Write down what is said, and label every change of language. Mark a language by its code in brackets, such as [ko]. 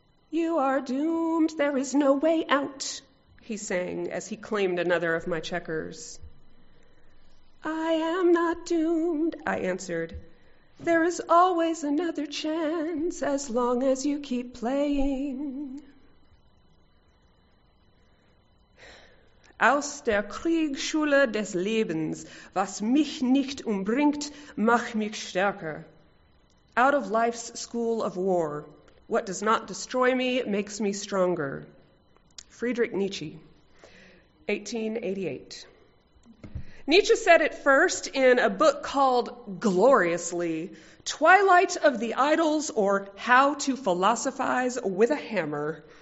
[en] You are doomed, there is no way out, he sang as he claimed another of my checkers. I am not doomed, I answered. There is always another chance as long as you keep playing. [de] Aus der Kriegsschule des Lebens, was mich nicht umbringt, macht mich stärker. [en] Out of life's school of war, what does not destroy me makes me stronger. Friedrich Nietzsche, 1888. Nietzsche said it first in a book called, gloriously, Twilight of the Idols or How to Philosophize with a Hammer.